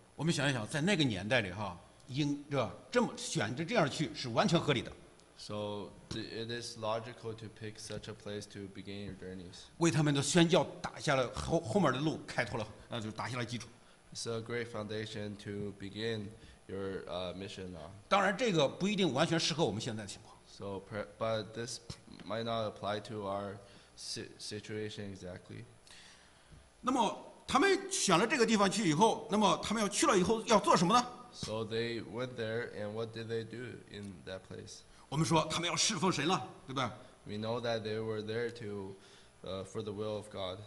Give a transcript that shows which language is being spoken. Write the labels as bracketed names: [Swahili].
[Chinese] 我们想一想，在那个年代里哈，应着这么选择这样去是完全合理的。 [English] So it is logical to pick such a place to begin your journeys. [Chinese] 为他们的宣教打下了后面的路，开拓了，就打下了基础。 [English] It's a great foundation to begin your mission on. [Chinese] 当然，这个不一定完全适合我们现在的情况。 [English] So, but this might not apply to our situation exactly. [Chinese] 那么他们选了这个地方去以后，那么他们要去了以后要做什么呢 [English] ？So they went there, and what did they do in that place? [Chinese] 我们说他们要侍奉神了，对吧 [English] ？We know that they were there to, for the will of God.